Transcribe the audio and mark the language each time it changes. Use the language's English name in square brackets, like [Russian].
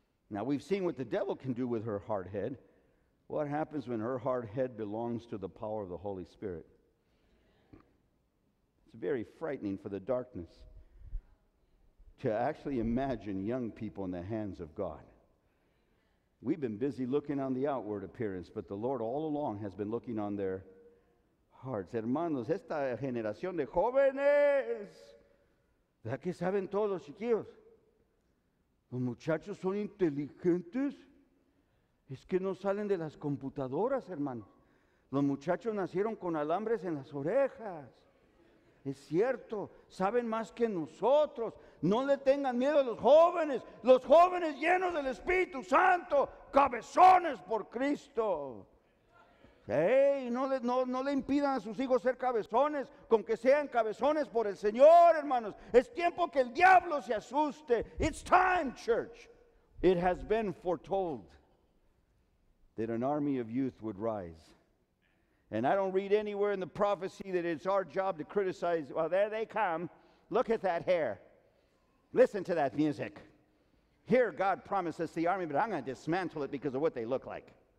[English] Now, we've seen what the devil can do with her hard head. What happens when her hard head belongs to the power of the Holy Spirit? It's very frightening for the darkness to actually imagine young people in the hands of God. We've been busy looking on the outward appearance, but the Lord all along has been looking on their hearts. [Spanish] Hermanos, esta generación de jóvenes, ¿de aquí saben todos los chiquillos? Los muchachos son inteligentes. Es que no salen de las computadoras, hermanos. Los muchachos nacieron con alambres en las orejas. Es cierto, saben más que nosotros. No le tengan miedo a los jóvenes llenos del Espíritu Santo, cabezones por Cristo. Hey, no le impidan a sus hijos ser cabezones, con que sean cabezones por el Señor, hermanos. Es tiempo que el diablo se asuste. [English] It's time, church. It has been foretold that an army of youth would rise. And I don't read anywhere in the prophecy that it's our job to criticize. Well, there they come. Look at that hair. Listen to that music. Here, God promised us the army, but I'm going to dismantle it because of what they look like.